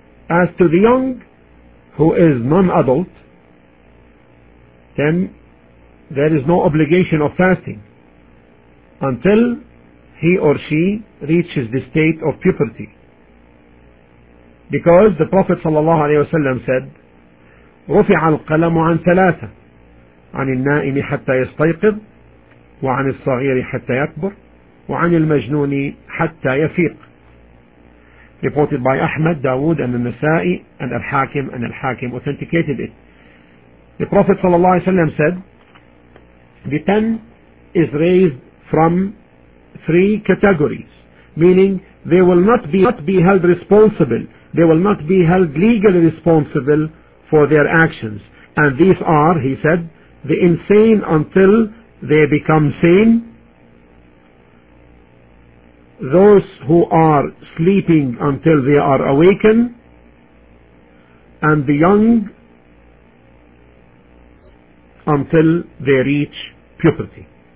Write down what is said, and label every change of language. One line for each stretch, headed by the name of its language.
English: As to the young who is non-adult, then there is no obligation of fasting until he or she reaches the state of puberty. Because the Prophet ﷺ said,
Arabic: رُفِعَ الْقَلَمُ عَنْ ثَلَاثَةَ عَنِ النَّائِمِ حَتَّى يَسْتَيْقِظْ وَعَنِ الصَّغِيرِ حَتَّى يَكْبُرْ وَعَنِ الْمَجْنُونِ حَتَّى يَفِيقْ,
English: reported by Ahmad, Dawood and Nasa'i and Al-Hakim, and Al-Hakim authenticated it. The Prophet ﷺ said, the 10 is raised from 3 categories, meaning they will not be held responsible, they will not be held legally responsible for their actions. And these are, he said, the insane until they become sane, those who are sleeping until they are awakened, and the young until they reach puberty.